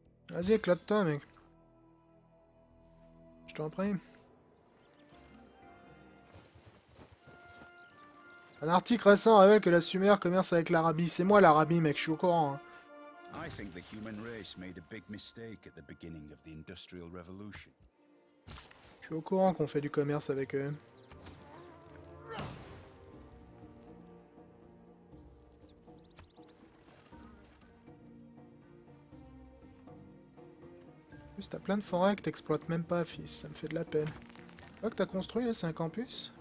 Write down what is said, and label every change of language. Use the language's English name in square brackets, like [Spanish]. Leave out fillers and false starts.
[French] Vas-y, éclate-toi, mec. Je t'en prie. Un article récent révèle que la Sumer commerce avec l'Arabie. C'est moi l'Arabie, mec, je suis au courant. Hein. [English] I think the human race made a big mistake at the beginning of the industrial revolution. [French] Je suis au courant qu'on fait du commerce avec eux. Juste, t'as plein de forêts que t'exploites même pas, fils, ça me fait de la peine. Quoi que t'as construit là, c'est un campus?